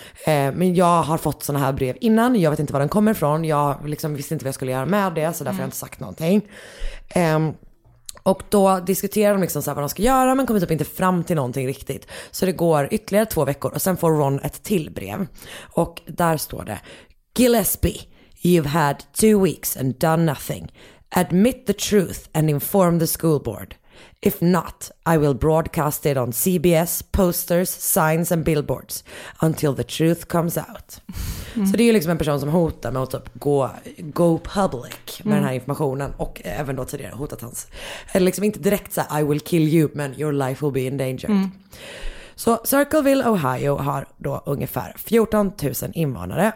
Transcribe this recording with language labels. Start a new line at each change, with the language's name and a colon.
Swedish: Men jag har fått såna här brev innan. Jag vet inte var den kommer ifrån. Jag liksom visste inte vad jag skulle göra med det, så därför har jag inte sagt någonting. Och då diskuterar de liksom så här vad de ska göra, men kommer typ inte fram till någonting riktigt. Så det går ytterligare två veckor och sen får Ron ett till brev. Och där står det:
English: "Gillespie, you've had 2 weeks and done nothing. Admit the truth and inform the school board. If not, I will broadcast it on CBS, posters, signs and billboards until the truth comes out." Mm.
Swedish: Så det är ju liksom en person som hotar med att typ
English: go public
Swedish: med den här informationen. Och även då tidigare hotat hans, eller liksom inte direkt så
English: "I will kill you,
Swedish: men
English: your life will be endangered."
Swedish: Mm. Så Circleville, Ohio har då ungefär 14 000 invånare.